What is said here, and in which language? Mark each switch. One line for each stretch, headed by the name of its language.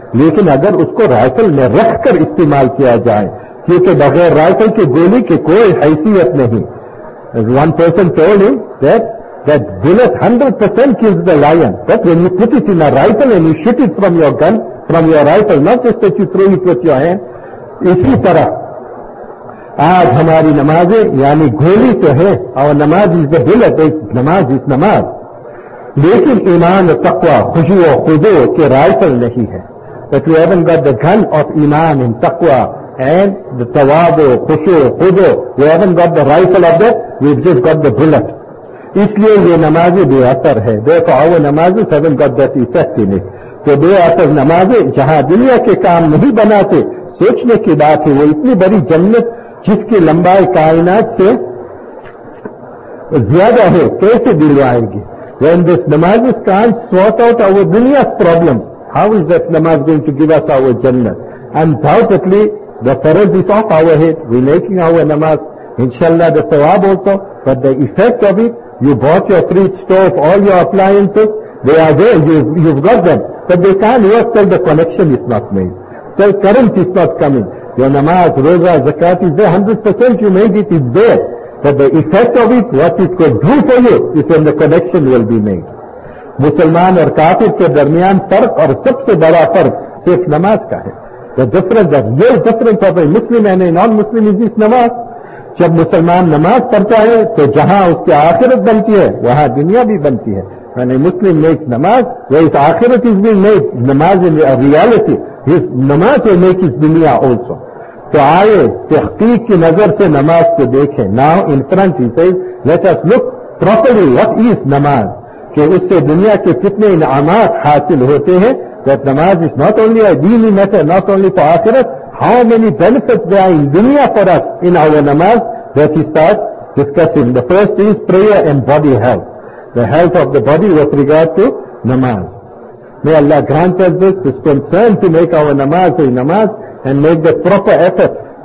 Urdu: لیکن اگر اس کو رائفل میں رکھ کر استعمال کیا جائے کیونکہ بغیر رائفل کے گولی کے کوئی حیثیت نہیں.
English: One person told him that bullet 100% kills the lion, but when you put it in a rifle and you shoot it from your gun, from your rifle, not just that you throw it with your hand.
Urdu: اسی طرح آج ہماری نمازیں یعنی گولی تو ہے,
English: our namaz is the bullet, namaz is namaz.
Urdu: لیکن ایمان و تقوی خشوع و خضوع کے رائے پر نہیں ہے.
English: But you haven't got the gun of iman and taqwa and the tawadu, khushu, khudu. You haven't got the rifle of it. We've just got the bullet.
Urdu: اس لیے یہ نمازیں بے اثر ہے.
English: Therefore our نمازیں haven't got that effect in it.
Urdu: تو بے اثر نمازیں جہاں دنیا کے کام نہیں بناتے, سوچنے کی بات ہے. وہ اتنی بڑی جنت جس کی لمبائی کائنات سے زیادہ ہے کیسے دلوائیں گے؟
English: When this نمازیں can't sort out our دنیا's problem, how is that namaz going to give us our jannah? Undoubtedly, the faraz is off our head. We're making our namaz. Inshallah, the sawab also. But the effect of it, you bought your fridge, stove, all your appliances, they are there, you've got them. But they can't work till the connection is not made. Till current is not coming. Your namaz, roza, zakat is there. 100% you made it, it's there. But the effect of it, what it could do for you, is when the connection will be made.
Urdu: مسلمان اور کافر کے درمیان فرق اور سب سے بڑا فرق صرف نماز کا ہے.
English: The difference of real difference of a Muslim and a non-Muslim is this نماز.
Urdu: جب مسلمان نماز پڑھتا ہے تو جہاں اس کی آخرت بنتی ہے وہاں دنیا بھی بنتی ہے.
English: When a Muslim makes نماز, where his آخرت is being made, نماز in a reality, his نماز will make his دنیا also.
Urdu: تو آئے تحقیق کی نظر سے نماز کو دیکھیں.
English: Now in front he says, let us look properly what is namaz.
Urdu: کہ اس سے دنیا کے کتنے انعامات حاصل ہوتے ہیں.
English: That namaz is not only a daily matter, not only for akhirat. How many benefits there are in duniya for us in our namaz, that he starts discussing. The first is prayer and body health. The health of the body with regard to namaz. May Allah grant us this, this concern to make our namaz a namaz and make the proper effort.